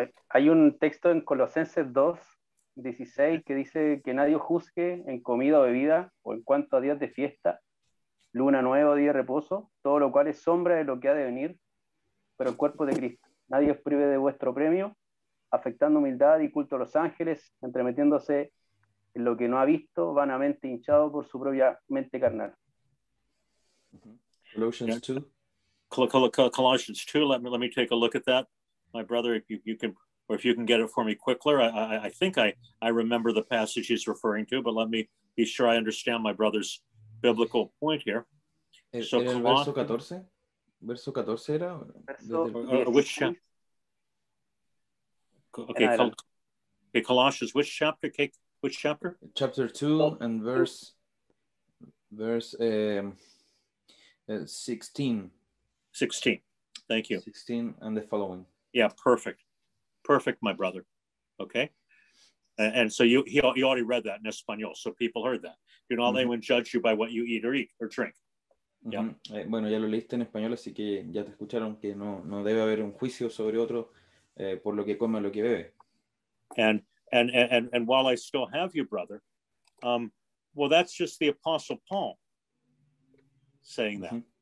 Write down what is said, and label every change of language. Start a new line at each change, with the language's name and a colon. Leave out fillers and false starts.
Spanish: Hay un texto en Colosenses 2:16 que dice que nadie juzgue en comida o bebida o en cuanto a días de fiesta, luna nueva o día de reposo, todo lo cual es sombra de lo que ha de venir, pero el cuerpo de Cristo. Nadie os prive de vuestro premio, afectando humildad y culto a los ángeles, entremetiéndose en lo que no ha visto, vanamente hinchado por su propia mente carnal.
English: Colossians 2. Colossians 2, let me take a look at that, my brother, if you can, or if you can get it for me quicker. I think I remember the passage he's referring to, but let me be sure I understand my brother's biblical point here. So
Spanish: ¿En el verso 14? ¿Verso 14 era?
English: Which chapter? Okay,
Spanish: En adelante.
English: Colossians, which chapter? Okay, which chapter? Chapter 2 and verse 16. 16. Thank you. 16 and the following. Yeah, perfect. Perfect, my brother. Okay. And so he already read that in Espanol, so people heard that. Do not let anyone judge you by what you eat or drink. Yeah.
Spanish: Bueno, ya lo leíste en español, así que ya te escucharon que no debe haber un juicio sobre otro por lo que come o lo que bebe.
English: And while I still have you, brother, well, that's just the Apostle Paul saying that.